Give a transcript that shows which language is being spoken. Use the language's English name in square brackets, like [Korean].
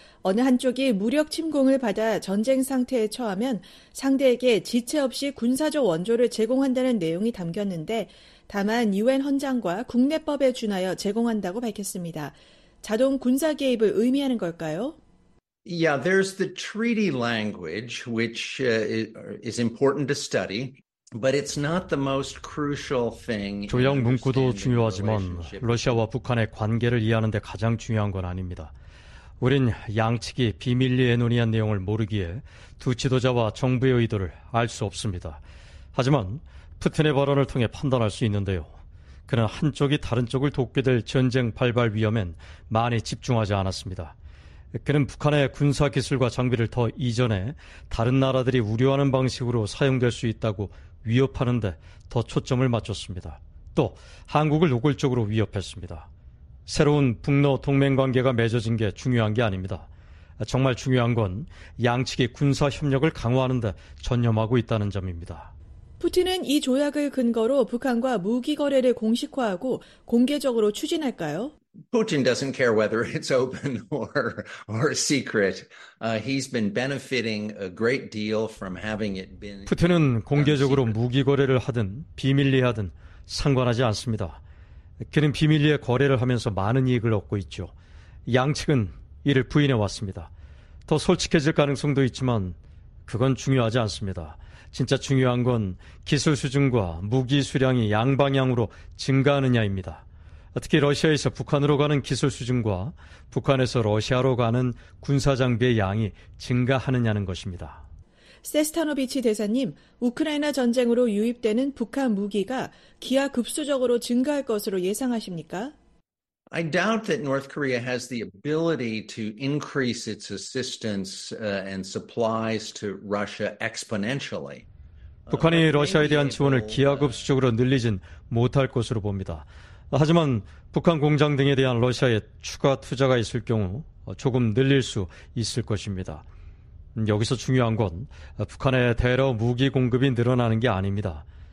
[Korean] 어느 한쪽이 무력 침공을 받아 전쟁 상태에 처하면 상대에게 지체 없이 군사적 원조를 제공한다는 내용이 담겼는데 다만 유엔 헌장과 국내법에 준하여 제공한다고 밝혔습니다. 자동 군사 개입을 의미하는 걸까요? [English] Yeah, there's the treaty language which is important to study. But it's not the most crucial thing. [Korean] 조약 문구도 중요하지만 러시아와 북한의 관계를 이해하는 데 가장 중요한 건 아닙니다. 우린 양측이 비밀리에 논의한 내용을 모르기에 두 지도자와 정부의 의도를 알 수 없습니다. 하지만 푸틴의 발언을 통해 판단할 수 있는데요. 그는 한쪽이 다른 쪽을 돕게 될 전쟁 발발 위험엔 많이 집중하지 않았습니다. 그는 북한의 군사 기술과 장비를 더 이전에 다른 나라들이 우려하는 방식으로 사용될 수 있다고 위협하는 데 더 초점을 맞췄습니다. 또 한국을 노골적으로 위협했습니다. 새로운 북러 동맹관계가 맺어진 게 중요한 게 아닙니다. 정말 중요한 건 양측이 군사 협력을 강화하는 데 전념하고 있다는 점입니다. 푸틴은 이 조약을 근거로 북한과 무기 거래를 공식화하고 공개적으로 추진할까요? [English] Putin doesn't care whether it's open or secret. He's been benefiting a great deal from having it been. [Korean] 푸틴은 공개적으로 무기 거래를 하든 비밀리하든 상관하지 않습니다. 그는 비밀리에 거래를 하면서 많은 이익을 얻고 있죠. 양측은 이를 부인해 왔습니다. 더 솔직해질 가능성도 있지만 그건 중요하지 않습니다. 진짜 중요한 건 기술 수준과 무기 수량이 양방향으로 증가하느냐입니다. 특히 러시아에서 북한으로 가는 기술 수준과 북한에서 러시아로 가는 군사 장비의 양이 증가하느냐는 것입니다. 세스타노비치 대사님, 우크라이나 전쟁으로 유입되는 북한 무기가 기하급수적으로 증가할 것으로 예상하십니까? [English] I doubt that North Korea has the ability to increase its assistance and supplies to Russia exponentially. [Korean] 북한이 러시아에 대한 지원을 기하급수적으로 늘리진 못할 것으로 봅니다. 하지만 북한 공장 등에 대한 러시아의 추가 투자가 있을 경우 조금 늘릴 수 있을 것입니다. 여기서 중요한 건 북한의 대러 무기 공급이 늘어나는 게 아닙니다.